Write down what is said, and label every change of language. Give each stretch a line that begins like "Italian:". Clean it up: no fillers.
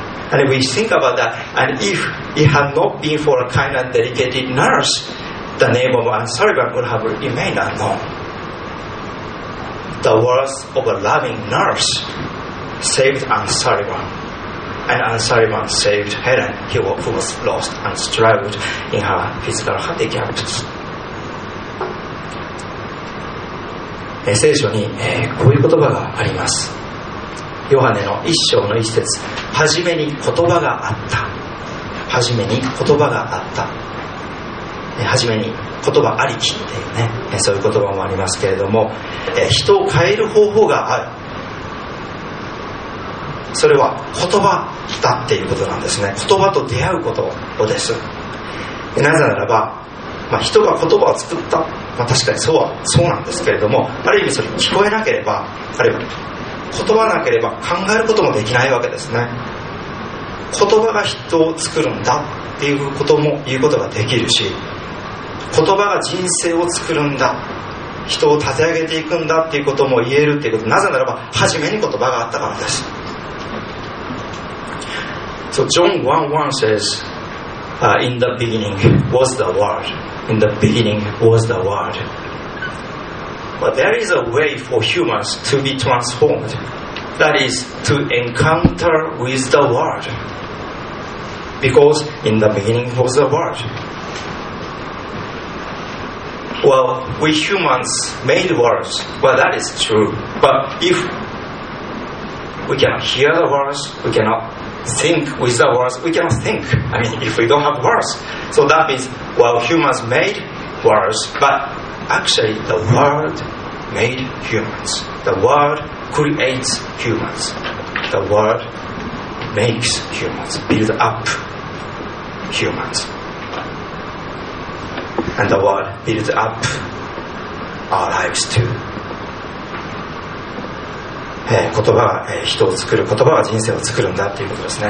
English: And we think about that, and if it had not been for a kind and dedicated nurse, the name of Anne Sullivan would have remained unknown. The words of a loving nurse saved Anne Sullivan, and Anne Sullivan saved Helen, who was lost and struggled in her physical handicaps.
Japanese: え、聖書に、こういう言葉があります。ヨハネの一章の一節、はじめに言葉があった、はじめに言葉があった、はじめに言葉ありきっていうね、そういう言葉もありますけれども、人を変える方法がある、それは言葉だっていうことなんですね。言葉と出会うことです。なぜならば、まあ、人が言葉を作った、まあ、確かにそうなんですけれども、ある意味それ聞こえなければ、あるいは言葉なければ考えることもできないわけですね。言葉が人を作るんだっていうことも言うことができるし、言葉が人生を作るんだ、人を立て上げていくんだっていうことも言えるっていうこと、なぜならば初めに言葉があったからです。
English: So John 1:1 says、In the beginning was the word. In the beginning was the word. But there is a way for humans to be transformed, that is to encounter with the word. Because in the beginning was the word. Well, we humans made words. Well, that is true. But if we cannot hear the words, we cannot think with the words, we cannot think. I mean, if we don't have words. So that means, well, humans made words, but actually the word made humans. The word creates humans. The word makes humans, builds up humans. And the word builds up our lives too.
Japanese: 言葉が人を作る、言葉が人生を作るんだということですね。